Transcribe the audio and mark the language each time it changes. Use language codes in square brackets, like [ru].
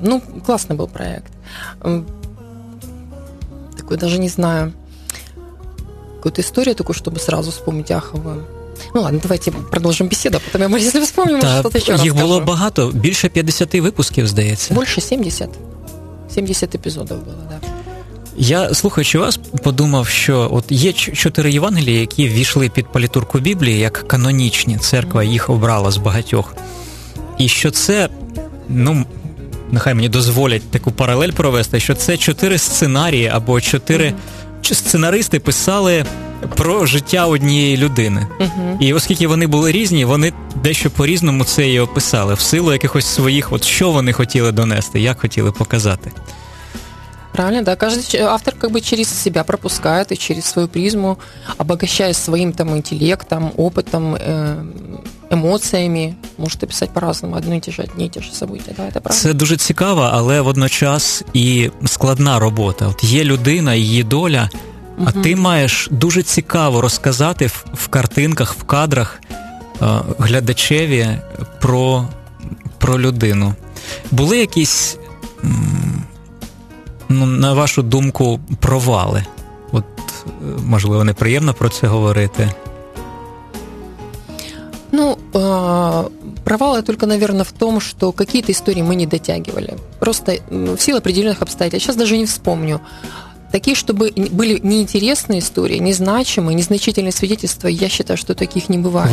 [ru] Ну, классный был проект. Такой, даже не знаю, какую-то историю такую, чтобы сразу вспомнить Ахову. Ну ладно, давайте продолжим беседу, потом я, если вспомним, может, что-то еще расскажу. Было много, больше 50 выпусков, здається. Больше 70. 70 эпизодов было, да. [uk] Я, слухаючи вас, подумав, що от є чотири Євангелії, які ввійшли під палітурку Біблії, як канонічні, церква їх обрала з багатьох. І що це, ну, нехай мені дозволять таку паралель провести, що це чотири сценарії або чотири сценаристи писали про життя однієї людини. Uh-huh. І оскільки вони були різні, вони дещо по-різному це і описали, в силу якихось своїх, от що вони хотіли донести, як хотіли показати. [ru] Правильно, да. Каждый автор как бы через себя пропускает и через свою призму, обогащаясь своим там интеллектом, опытом, эмоциями, может описать по-разному [uk] одні і ті ж [ru] события. Да, это правда. [uk] Це дуже цікаво, але водночас і складна робота. От є людина, її доля, а ти маєш дуже цікаво розказати в картинках, в кадрах глядачеві про людину. Були якісь... Ну, на вашу думку, провали. От, можливо, неприємно про це говорити. Ну, провали тільки, мабуть, в тому, що якісь історії ми не дотягували. Просто в силу определених обставин. Зараз навіть не вспомню. Такі, щоб були неінтересні історії, незначимі, незначительні свідчення, я вважаю, що таких не буває.